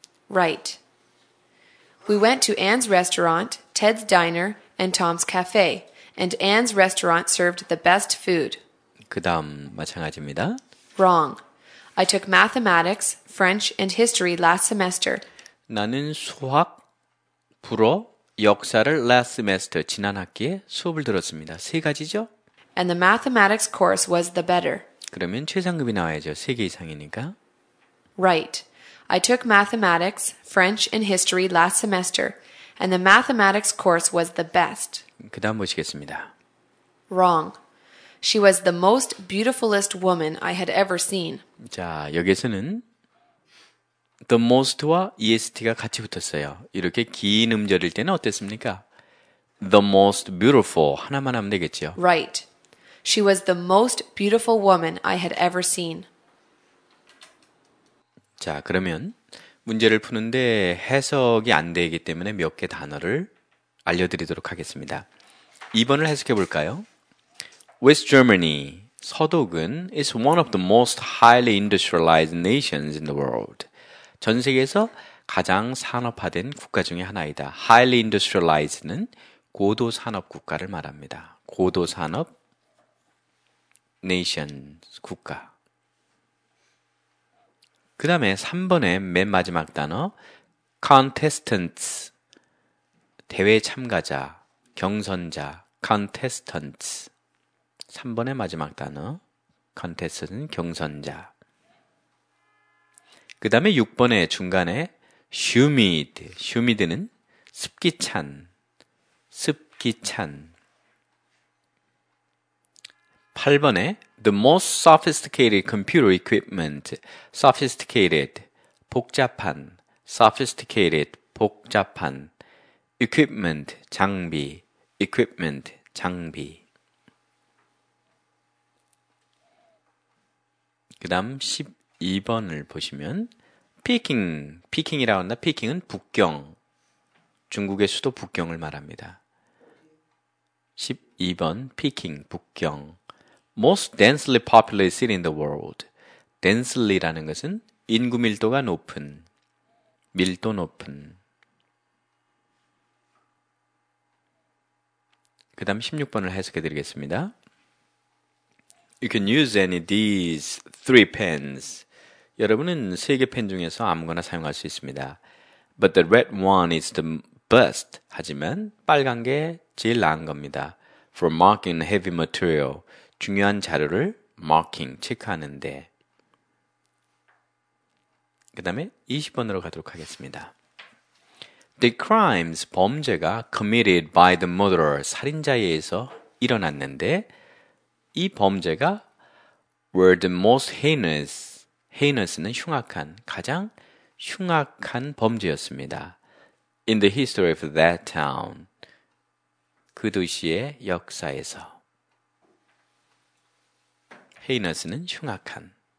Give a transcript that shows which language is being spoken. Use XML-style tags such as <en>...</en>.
<en>Right. We went to Anne's restaurant, Ted's diner, and Tom's cafe. And Anne's restaurant served the best food.</en> <ko>그 다음 마찬가지입니다.</ko> <en>Wrong. I took mathematics, French, and history last semester.</en> <ko>나는 수학, 불어, 역사를</ko> <en>last semester,</en> <ko>지난 학기에 수업을 들었습니다. 세 가지죠?</ko> <en>And the mathematics course was the better.</en> <ko>그러면 최상급이 나와야죠. 세 개 이상이니까.</ko> <en>Right. I took mathematics, French, and history last semester. And the mathematics course was the best.</en> <ko>그 다음 보시겠습니다.</ko> <en>Wrong. She was the most beautifulest woman I had ever seen.</en> <ko>자, 여기에서는</ko> <en>the most</en> <ko>와 est가 같이 붙었어요. 이렇게 긴 음절일 때는 어땠습니까?</ko> <en>The most beautiful</en> <ko>하나만 하면 되겠죠.</ko> <en>Right. She was the most beautiful woman I had ever seen.</en> <ko>자, 그러면 문제를 푸는데 해석이 안 되기 때문에 몇 개 단어를 알려드리도록 하겠습니다. 2번을 해석해 볼까요?</ko> <en>West Germany,</en> <ko>서독은</ko> <en>is one of the most highly industrialized nations in the world.</en> <ko>전 세계에서 가장 산업화된 국가 중에 하나이다. Highly industrialized는 고도산업 국가를 말합니다. 고도산업 nations, 국가. 그 다음에 3번의 맨 마지막 단어 contestants, 대회 참가자, 경선자, contestants. 3번의 마지막 단어, contestant은 경선자. 그 다음에 6번의 중간에 humid, humid는 습기찬, 습기찬.</ko> <en>8번에 the most sophisticated computer equipment, sophisticated, 복잡한, sophisticated, 복잡한, equipment, 장비, equipment, 장비.</en> <ko>그 다음 12번을 보시면 Peking, Peking이라고 한다. Peking은 북경, 중국의 수도 북경을 말합니다. 12번 Peking, 북경.</ko> <en>Most densely populated city in the world.</en> <ko>Densely라는 것은 인구 밀도가 높은, 밀도 높은. 그 다음 16번을 해석해 드리겠습니다.</ko> <en>You can use any of these three pens.</en> <ko>여러분은 세 개 펜 중에서 아무거나 사용할 수 있습니다.</ko> <en>But the red one is the best.</en> <ko>하지만 빨간 게 제일 나은 겁니다.</ko> <en>For marking heavy material.</en> <ko>중요한 자료를 marking, 체크하는데. 그 다음에 20번으로 가도록 하겠습니다.</ko> <en>The crimes, 범죄가 committed by the murderer,</en> <ko>살인자에서 일어났는데 이 범죄가</ko> <en>were the most heinous.</en> <ko>Heinous는 흉악한, 가장 흉악한 범죄였습니다.</ko> <en>In the history of that town.</en> <ko>그 도시의 역사에서. Heinous는 흉악한.</ko>